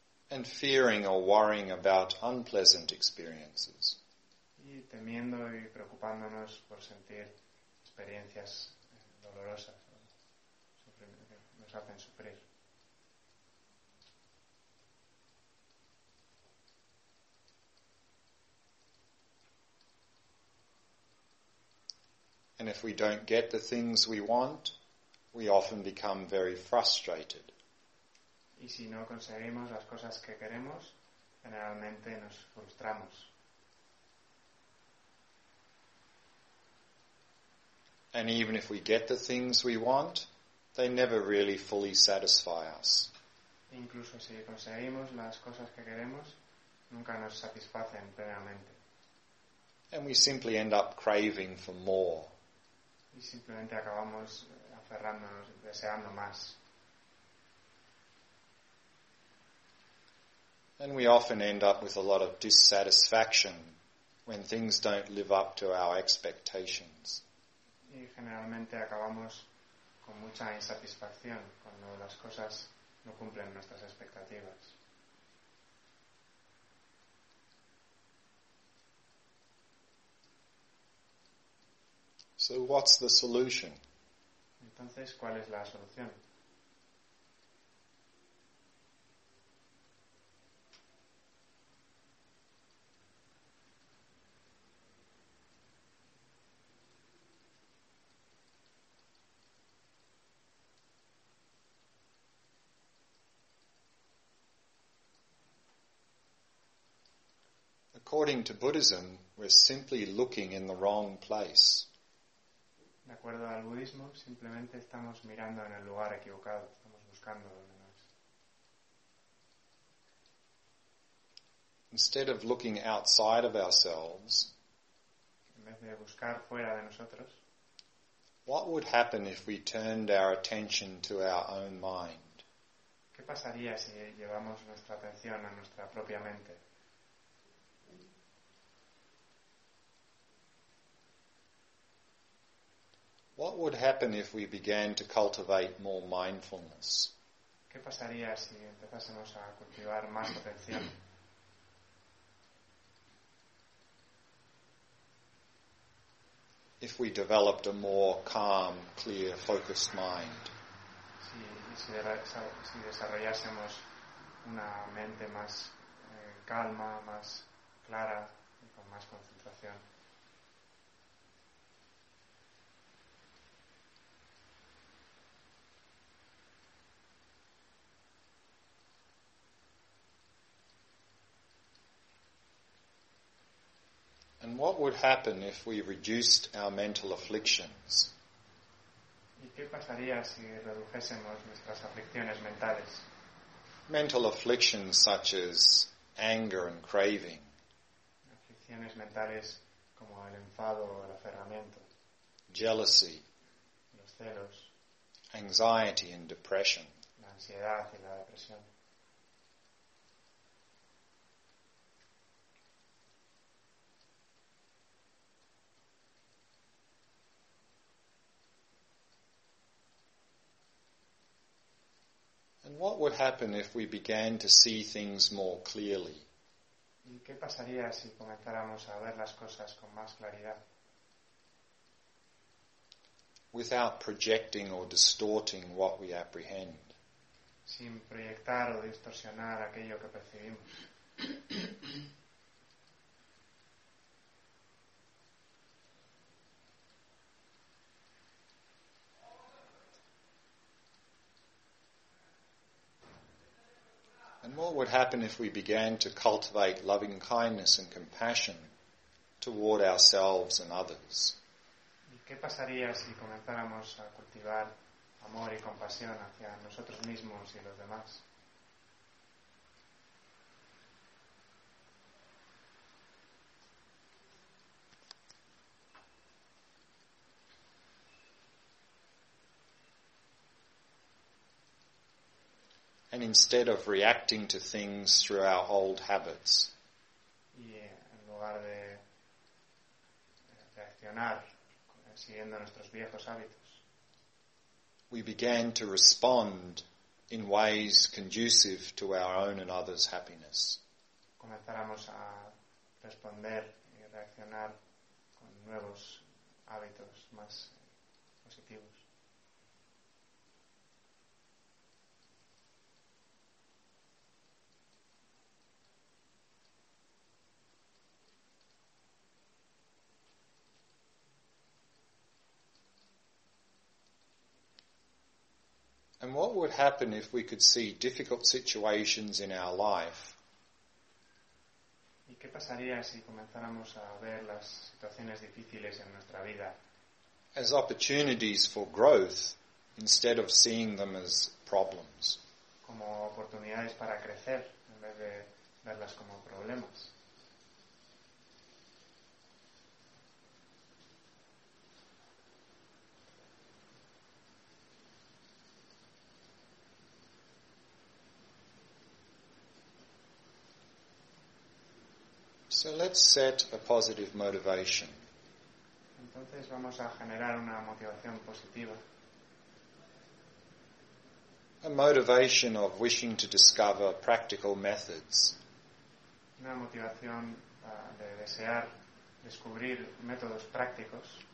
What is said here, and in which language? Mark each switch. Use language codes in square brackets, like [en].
[en] And fearing or worrying about unpleasant experiences. [es] Y temiendo y preocupándonos por sentir experiencias dolorosas que nos hacen sufrir. [en] And if we don't get the things we want, we often become very frustrated. [es] Y si no conseguimos las cosas que queremos, generalmente nos frustramos. [en] And even if we get the things we want, they never really fully satisfy us. [es] Incluso si conseguimos las cosas que queremos, nunca nos satisfacen plenamente. [en] And we simply end up craving for more. [es] Y simplemente acabamos aferrándonos, deseando más. [en] And we often end up with a lot of dissatisfaction when things don't live up to our expectations. [es] Y generalmente acabamos con mucha insatisfacción cuando las cosas no cumplen nuestras expectativas. [en] So what's the solution? [es] Entonces, ¿cuál es la solución? [en] According to Buddhism, we're simply looking in the wrong place. [es] De acuerdo al budismo, simplemente estamos mirando en el lugar equivocado, estamos buscando donde no es. [en] Instead of looking outside of ourselves, [es] en vez de buscar fuera de nosotros, [en] what would happen if we turned our attention to our own mind? [es] ¿Qué pasaría si llevamos nuestra atención a nuestra propia mente? [en] What would happen if we began to cultivate more mindfulness? [es] ¿Qué pasaría si empezásemos a cultivar más atención? [en] If we developed a more calm, clear, focused mind. [es] Si desarrollásemos una mente más calma, más clara y con más concentración. [en] And what would happen if we reduced our mental afflictions? [es] ¿Y qué pasaría si redujésemos nuestras aflicciones mentales? [en] Mental afflictions such as anger and craving. [es] Aflicciones mentales como el enfado o el aferramiento. [en] Jealousy. [es] Los celos. [en] Anxiety and depression. [es] La ansiedad y la depresión. [en] And what would happen if we began to see things more clearly? [es] ¿Y qué pasaría si comenzáramos a ver las cosas con más claridad? [en] Without projecting or distorting what we apprehend. [es] Sin proyectar o distorsionar aquello que percibimos. [en] And what would happen if we began to cultivate loving kindness and compassion toward ourselves and others? [es] ¿Y qué pasaría si comenzáramos a cultivar amor y compasión hacia nosotros mismos y los demás? [en] And instead of reacting to things through our old habits, [es] en lugar de reaccionar siguiendo nuestros viejos hábitos, [en] we began to respond in ways conducive to our own and others' happiness. [es] Comenzáramos a responder y reaccionar con nuevos hábitos más positivos. [en] And what would happen if we could see difficult situations in our life? [es] ¿Y qué pasaría si comenzáramos a ver las situaciones difíciles en nuestra vida? [en] As opportunities for growth instead of seeing them as problems. [es] Como oportunidades para crecer en vez de verlas como problemas. [en] So let's set a positive motivation. [es] Entonces vamos a generar una motivación positiva. [en] A motivation of wishing to discover practical methods. [es] Una motivación de desear descubrir métodos prácticos.